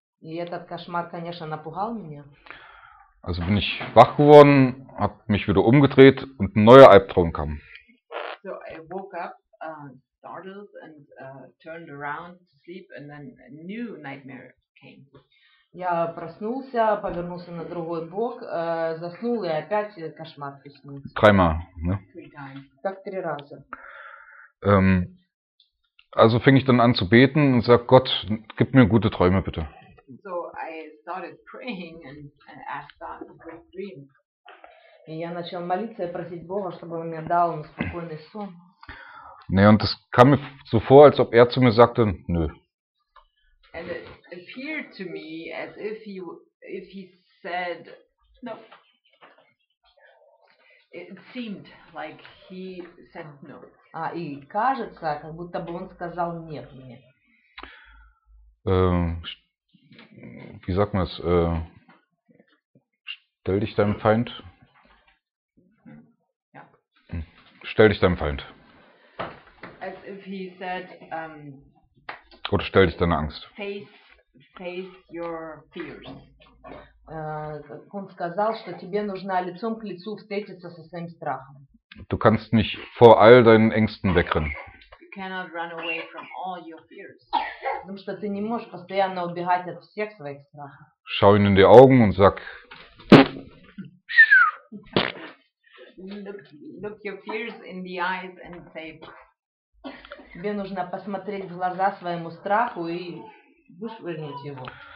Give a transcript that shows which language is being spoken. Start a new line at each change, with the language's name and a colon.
Russian: И этот кошмар, конечно, напугал меня.
German: Also bin ich wach geworden, hab mich wieder umgedreht und ein neuer Albtraum kam.
English: So I woke up, startled and turned around to sleep and then a new nightmare came.
Russian: Я проснулся, повернулся на другой бок, заснул и опять кошмар приснился.
German: Dreimal, ne?
English: Three times.
Russian: Так три раза.
German: Also fing ich dann an zu beten und sag: Gott, gib mir gute Träume bitte.
English: So I started praying and asked God for good dreams.
Russian: И я начал молиться и просить Бога, чтобы он мне дал спокойный сон.
German: Ne, und es kam mir so vor, als ob er zu mir sagte: Nö.
English: And it appeared to me as if he said no. It seemed like he said no.
Russian: А, и кажется, как будто бы он сказал нет мне.
German: Wie sagt man es? Stell dich deinem Feind. Ja. Stell dich deinem Feind.
English: As if he said,
German: oder stell dich deiner Angst.
English: Face your fears.
Russian: Он сказал, что тебе нужно лицом к лицу встретиться со своим страхом.
German: Du kannst nicht vor all deinen Ängsten wegrennen.
English: You cannot run away from all your fears.
Russian: Потому что ты не можешь постоянно убегать от всех своих страхов.
German: Schau ihn in die Augen und sag.
English: Look your fears in the eyes and say.
Russian: Тебе нужно посмотреть в глаза своему страху и вышвырнуть его.